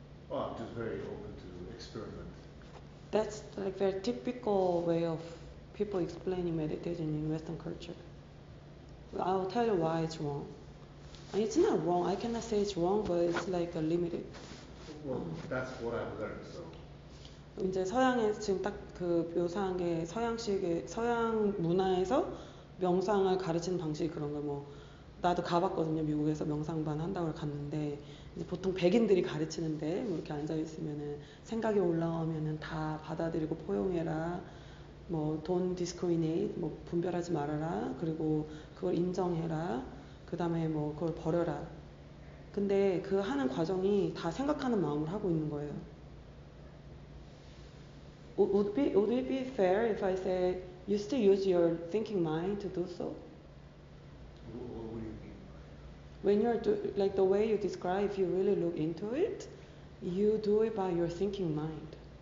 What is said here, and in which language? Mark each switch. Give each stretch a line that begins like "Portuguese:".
English: Well, I'm just very open to experiment. That's like very typical way of people explaining meditation in Western culture. I'll tell you why it's wrong. It's not wrong. I cannot say it's wrong, but it's like a limited. Well, that's what I've learned, so.
Korean: 이제 서양에서 지금 딱 그 묘사한 게 서양식의 서양 문화에서 명상을 가르치는 방식이 그런 거 뭐 나도 가봤거든요 미국에서 명상반 한다고 갔는데 이제 보통 백인들이 가르치는데 뭐 이렇게 앉아 있으면은 생각이 올라오면은 다 받아들이고 포용해라 뭐
English: don't discriminate
Korean: 뭐 분별하지 말아라 그리고 그걸 인정해라 그 다음에 뭐 그걸 버려라 근데 그 하는 과정이 다 생각하는 마음을 하고 있는 거예요.
English: Would it be fair if I say you still use your thinking mind to do so? What would you mean? When you're like the way you describe, if you really look into it, you do it by your thinking mind.